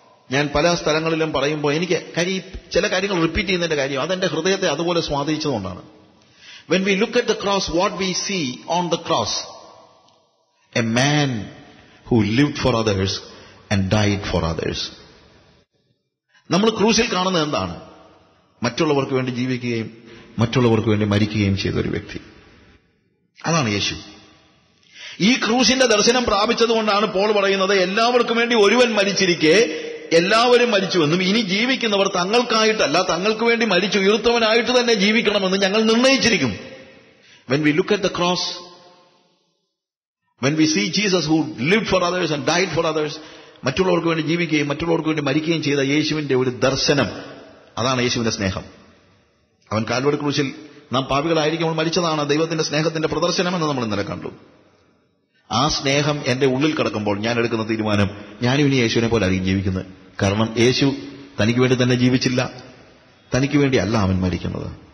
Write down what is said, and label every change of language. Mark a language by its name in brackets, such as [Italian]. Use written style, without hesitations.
[Malayalam] ഞാൻ പല സ്ഥലങ്ങളിലും പറയുമ്പോൾ എനിക്ക് ചില കാര്യങ്ങൾ റിപ്പീറ്റ് ചെയ്യുന്നതിന്റെ കാര്യം, അതെന്റെ ഹൃദയത്തെ അതുപോലെ സ്വാധീനിച്ചതുകൊണ്ടാണ്. [English] When we look at the cross, what we see on the cross? A man who lived for others and died for others. [Malayalam] നമ്മൾ ക്രൂസിൽ കാണുന്നത് എന്താണ്? മറ്റുള്ളവർക്ക് വേണ്ടി ജീവിക്കുകയും മറ്റുള്ളവർക്ക് വേണ്ടി മരിക്കുകയും ചെയ്ത ഒരു വ്യക്തി. അതാണ് യേശു. ഈ ക്രൂസിന്റെ ദർശനം പ്രാപിച്ചതുകൊണ്ടാണ് പോൾ പറയുന്നത്, എല്ലാവർക്കും വേണ്ടി ഒരുവൻ മരിച്ചിരിക്കെ എല്ലാവരും മരിച്ചുവെന്നും ഇനി ജീവിക്കുന്നവർ തങ്ങൾക്കായിട്ടല്ല, തങ്ങൾക്ക് വേണ്ടി മരിച്ചു ഉയർത്തവനായിട്ട് തന്നെ ജീവിക്കണമെന്ന് ഞങ്ങൾ നിർണയിച്ചിരിക്കും. [English] When we look at the cross, when we see Jesus who lived for others and died for others, [Malayalam] മറ്റുള്ളവർക്ക് വേണ്ടി ജീവിക്കുകയും മറ്റുള്ളവർക്ക് വേണ്ടി മരിക്കുകയും ചെയ്ത യേശുവിന്റെ ഒരു ദർശനം, അതാണ് യേശുവിന്റെ സ്നേഹം. അവൻ കാൽവരി ക്രൂശിൽ നാം പാപികളായിരിക്കുമ്പോൾ മരിച്ചതാണ് ദൈവത്തിന്റെ സ്നേഹത്തിന്റെ പ്രദർശനമെന്ന് നമ്മൾ ഇന്നലെ കണ്ടു. ആ സ്നേഹം എന്റെ ഉള്ളിൽ കടക്കുമ്പോൾ ഞാൻ എടുക്കുന്ന തീരുമാനം, ഞാനും ഇനി യേശുവിനെ പോലെ ആയിരിക്കും ജീവിക്കുന്നത്. കാരണം യേശു തനിക്ക് വേണ്ടി തന്നെ ജീവിച്ചില്ല, തനിക്ക് വേണ്ടിയല്ല അവൻ മരിക്കുന്നത്.